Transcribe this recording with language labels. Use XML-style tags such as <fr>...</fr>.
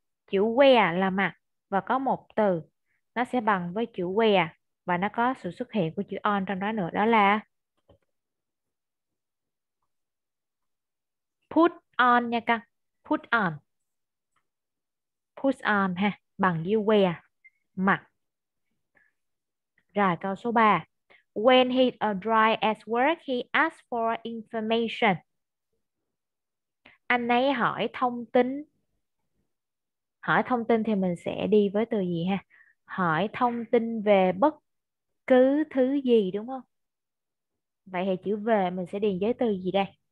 <vi>Chữ wear là mặc và có một từ nó sẽ bằng với chữ wear và nó có sự xuất hiện của chữ on trong đó nữa, đó là put on nha con. Put on. Put on ha, bằng với wear, mặc. Rồi câu số 3.</vi> <en>When he arrived at work, he asked for information.</en> <vi>Anh ấy hỏi thông tin. Hỏi thông tin thì mình sẽ đi với từ gì ha? Hỏi thông tin về bất cứ thứ gì đúng không? Vậy thì chữ về mình sẽ điền với từ gì đây?</vi>